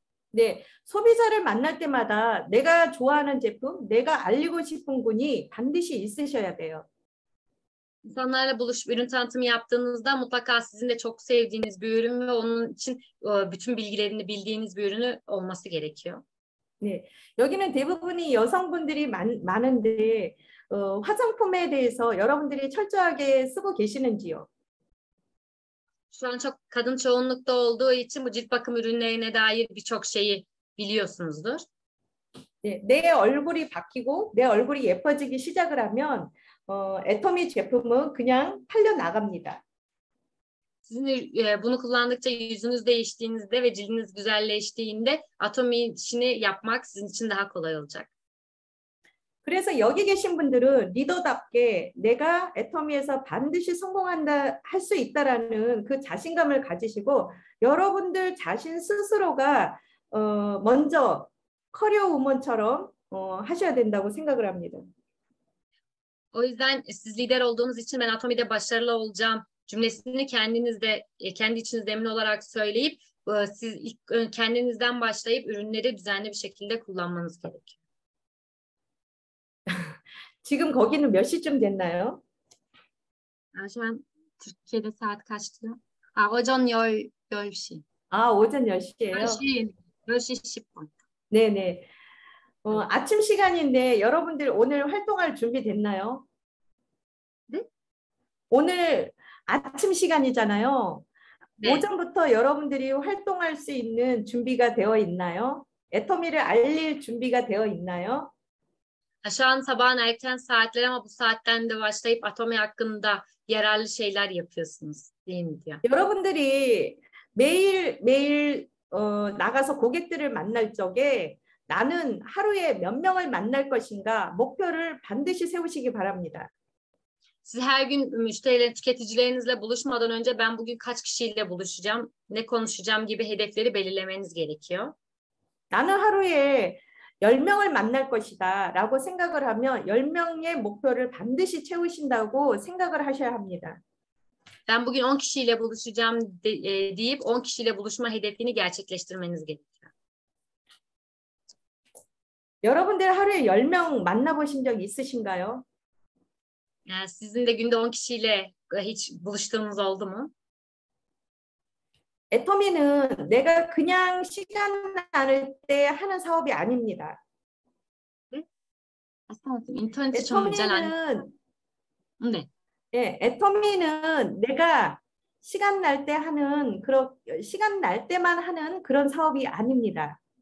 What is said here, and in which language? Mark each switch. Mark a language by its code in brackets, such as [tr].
[ko] 네, 소비자를 만날 때마다 내가 좋아하는 제품, 내가 알리고 싶은 분이 반드시 있으셔야 돼요. [tr] İnsanlarla buluşup ürün tanıtımı yaptığınızda mutlaka sizin de çok sevdiğiniz bir ürün ve onun için bütün bilgilerini bildiğiniz bir ürünü olması gerekiyor. [ko] 네, 여기는 대부분이 여성분들이 많은데, 화장품에 대해서 여러분들이 철저하게 쓰고 계시는지요? [tr] Şu an çok kadın çoğunlukta olduğu için bu cilt bakım ürünlerine dair birçok şeyi biliyorsunuzdur. [ko] 내 얼굴이 바뀌고 내 얼굴이 예뻐지기 시작을 하면 애터미 제품은 그냥 팔려 나갑니다. [tr] Sizin bunu kullandıkça yüzünüz değiştiğinizde ve cildiniz güzelleştiğinde atomi işini yapmak sizin için daha kolay olacak. [ko] K래서 여기 계신 분들은 리더답게 내가 애터미에서 반드시 성공한다 할수 있다라는 그 자신감을 가지시고 여러분들 자신 스스로가 먼저 커리어 우먼처럼 하셔야 된다고 생각을 합니다. [tr] O yüzden siz lider olduğunuz için ben Atomi'de başarılı olacağım cümlesini kendi içinizde emin olarak söyleyip siz ilk kendinizden başlayıp ürünleri düzenli bir şekilde kullanmanız gerekiyor. [ko] 지금 거기는 몇 시쯤 됐나요? [tr] Şu an Türkiye'de saat kaçtı? Ocağın 10시. [ko] 아, 오전 10시예요. 10시 10분. 네네. 아침 시간인데 여러분들 오늘 활동할 준비됐나요? 오늘 아침 시간이잖아요. 네. 오전부터 여러분들이 활동할 수 있는 준비가 되어 있나요? 애터미를 알릴 준비가 되어 있나요? [tr] Şu an sabahın erken saatleri ama bu saatten de başlayıp atomi hakkında yararlı şeyler yapıyorsunuz, değil mi diyor. [ko] 여러분들이 매일 나가서 고객들을 만날 적에 나는 하루에 몇 명을 만날 것인가 목표를 반드시 세우시기 바랍니다. [tr] Siz her gün tüketicilerinizle buluşmadan önce ben bugün kaç kişiyle buluşacağım, ne konuşacağım gibi hedefleri belirlemeniz gerekiyor. [ko] 나는 하루에 10명을 만날 것이다라고 생각을 하면 10명의 목표를 반드시 채우신다고 생각을 하셔야 합니다. [tr] Ben bugün 10 kişiyle buluşacağım deyip 10 kişiyle buluşma hedefini gerçekleştirmeniz gerekiyor. [ko] 여러분들 하루에 10명 만나보신 적 있으신가요? [tr] 야, sizin de günde 10 kişiyle hiç buluştuğunuz oldu mu? [ko] 애터미는 내가 그냥 시간 나를 때 하는 사업이 아닙니다. 아까 인터넷이 좀 잘안 애터미는 네. 애터미는 내가 시간 날때 하는 그런 시간 날 때만 하는 그런 사업이 아닙니다.